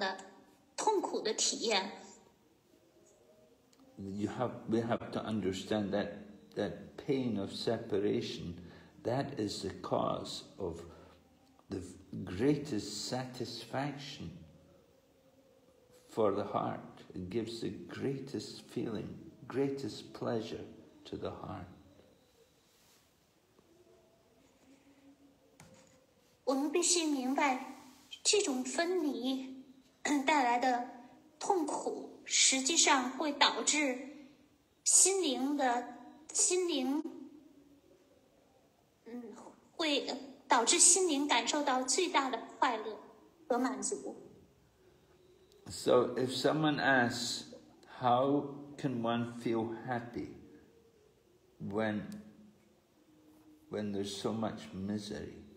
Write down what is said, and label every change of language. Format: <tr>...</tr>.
<zh>分离带来的狂喜之情，并不是像外人，在外人，并不是会像外人眼里那样的痛苦的体验。</zh> <en>We have to understand that pain of separation, that is the cause of the greatest satisfaction for the heart. It gives the greatest feeling, greatest pleasure to the heart.</en> <zh>我们必须明白，这种分离带来的痛苦，实际上会导致心灵感受到最大的快乐和满足。</zh> <en>So if someone asks, how can one feel happy when there's so much misery?</en>